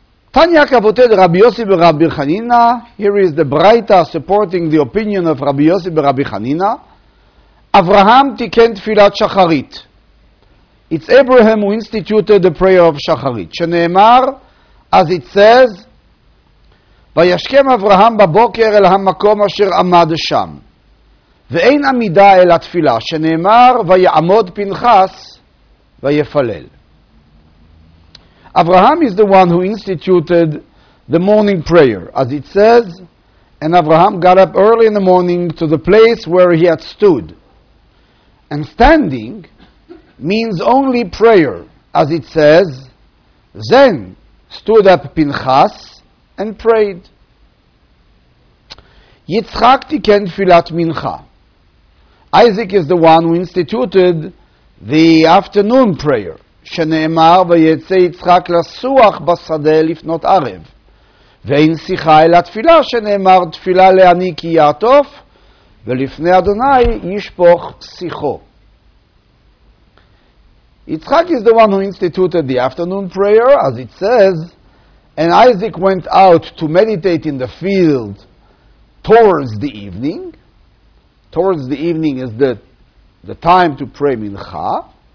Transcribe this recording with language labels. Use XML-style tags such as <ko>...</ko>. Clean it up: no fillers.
<he>Tanya kavoted Rabbi Yossi ben Rabbi Chanina.</he> <en>Here is the Braita supporting the opinion of Rabbi Yossi ben Rabbi Chanina.</en> <he>Avraham tiken tfilat shacharit.</he> <en>It's Abraham who instituted the prayer of shacharit. Sheneemar, as it says,</en> <he>וישכם אברהם בבוקר אל המקום אשר עמד שם, ואין עמידה אל התפילה, שנאמר, ויעמוד פנחס ויפלל.</he> <en>Abraham is the one who instituted the morning prayer, as it says, and Abraham got up early in the morning to the place where he had stood. And standing means only prayer, as it says, then stood up Pinchas and prayed.</en> <he>Yitzchak tiken tfilat mincha.</he> <en>Isaac is the one who instituted the afternoon prayer.</en> <he>שנאמר ויצא יצחק לסוח בשדה לפנות ערב. ואין שיחה אלא תפילה שנאמר תפילה לעני כי יעטוף ולפני אדוני ישפוך שיחו.</he> <en>יצחק is the one who instituted the afternoon prayer, as it says, and Isaac went out to meditate in the field towards the evening. Towards the evening is the time to pray mincha.</en>